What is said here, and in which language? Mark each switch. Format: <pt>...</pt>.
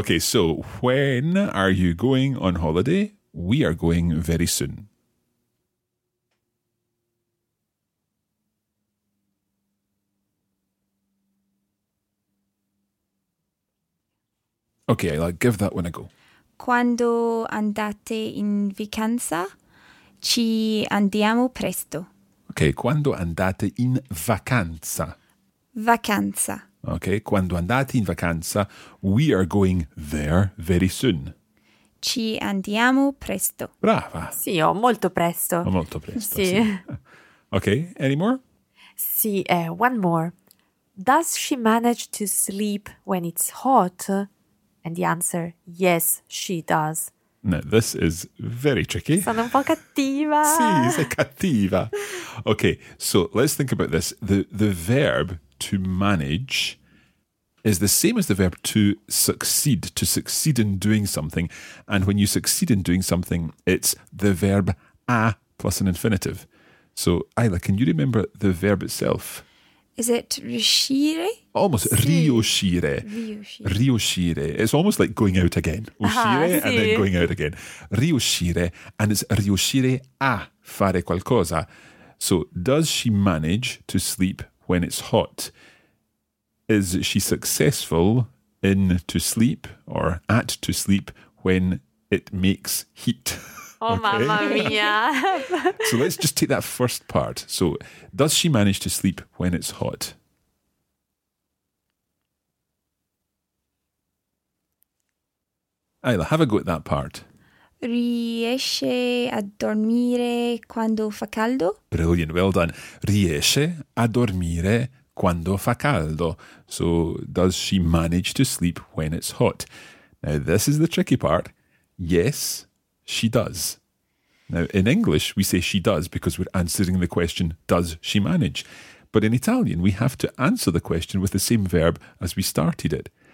<en>Okay, so when are you going on holiday? We are going very soon. Okay, I'll give that one a go.</en> <it>Quando andate in vacanza, ci andiamo presto. Okay, quando andate in vacanza. Vacanza.</it> <en>Okay,</en> <it>quando andate in vacanza,</it> <en>we are going there very soon.</en> <it>Ci andiamo presto. Brava. Sì, ho molto presto. Ho molto presto, sì. Sì.</it> <en>Okay, any more? Sì, one more. Does she manage to sleep when it's hot? And the answer, yes, she does. Now, this is very tricky.</en> <it>Sono un po' cattiva. Sì, sei cattiva.</it> <en>Okay, so let's think about this. The verb to manage is the same as the verb to succeed in doing something. And when you succeed in doing something, it's the verb a plus an infinitive. So, Ayla, can you remember the verb itself? Is it riuscire? Almost,</en> <it>sì. Riuscire. Riuscire.</it> <en>It's almost like going out again.</en> <it>Uscire ah, sì.</it> <en>And then going out again.</en> <it>Riuscire,</it> <en>and it's</en> <it>riuscire a fare qualcosa.</it> <en>So, does she manage to sleep when it's hot? Is she successful in to sleep or at to sleep when it makes heat?</en> <it>Okay. Oh, mamma mia.</it> <en>So let's just take that first part. So does she manage to sleep when it's hot? Ayla, have a go at that part.</en> <it>Riesce a dormire quando fa caldo?</it> <en>Brilliant, well done.</en> <it>Riesce a dormire quando fa caldo.</it> <en>So does she manage to sleep when it's hot? Now, this is the tricky part. Yes, she does. Now, in English, we say she does because we're answering the question, does she manage? But in Italian, we have to answer the question with the same verb as we started it.</en>